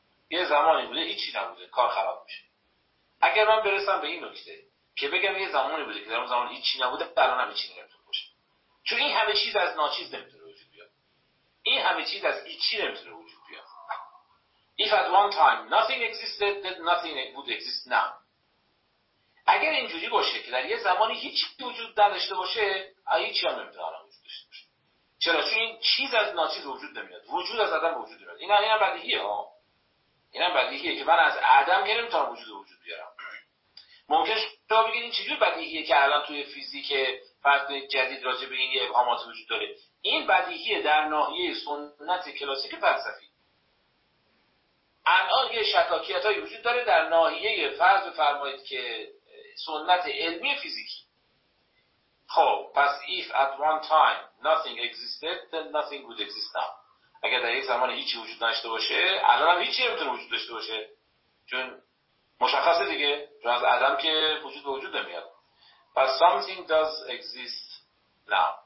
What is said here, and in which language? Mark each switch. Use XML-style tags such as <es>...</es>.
<fa>یه زمانی بوده هیچی نبوده، کار خراب میشه. اگر من برسم به این نکته که بگم یه زمانی بوده که در اون زمان هیچی نبوده، الان هم هیچی نمیتونه باشه. چون این همه چیز از ناچیز نمیتونه وجود بیاد. این همه چیز از هیچی نمیتونه وجود بیاد.</fa> <en>If at one time nothing existed, then nothing would exist now.</en> <fa>اگر اینجوری باشه که در یه زمانی هیچی وجود نداشته باشه، هیچی هم نمیتونه وجود داشته باشه. چرا؟ چون این چیز از ناچیز وجود نمیاد. وجود از عدم وجود میاد. اینا بدیهیه ها. این هم بدیهیه که من از عدم که نمیتونم وجود رو وجود بیارم. ممکن شما بگید این چجور بدیهیه که الان توی فیزیک فرض کنید جدید راجع به این یه ابهامات وجود داره. این بدیهیه در ناحیه سنت کلاسیک فلسفی. الان یه شکاکیت هایی وجود داره در ناحیه فرض بفرمایید که سنت علمی فیزیکی. خب پس</fa> <en>if at one time nothing existed then nothing would exist now. اگر در یک زمان هیچی وجود نداشته باشه، الان هم هیچی نمیتونه وجود داشته باشه.</en> <fa>چون مشخصه دیگه، چون از عدم که وجود به وجود نمیاد.</fa> <en>But something does exist</en> <fa>نه</fa>